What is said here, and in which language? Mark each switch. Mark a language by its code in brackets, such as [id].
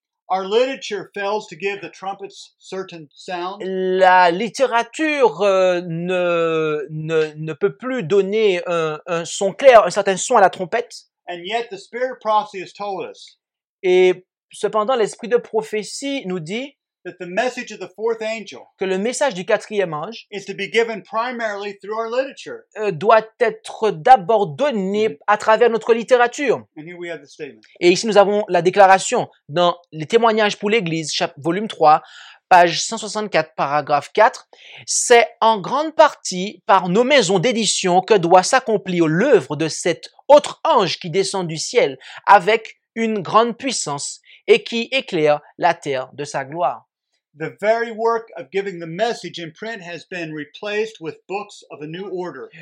[en] Our literature fails to give the trumpets certain sound. [fr] La littérature ne peut plus donner un son clair, un certain son à la trompette. [en] And yet the spirit of prophecy has told us. [fr] Et cependant, l'esprit de prophétie nous dit [en] that the message of the fourth angel, [fr] que le message du quatrième ange, [en] is to be given primarily through our literature. [fr] Doit être d'abord donné à travers notre littérature. [en] And here we have the statement. [fr] Et ici nous avons la déclaration dans les témoignages pour l'Église, volume 3, page 164, paragraphe 4. C'est en grande partie par nos maisons d'édition que doit s'accomplir l'œuvre de cet autre ange qui descend du ciel avec une grande puissance et qui éclaire la terre de sa gloire. [en] The very work of giving the message in print has been replaced with books of a new order.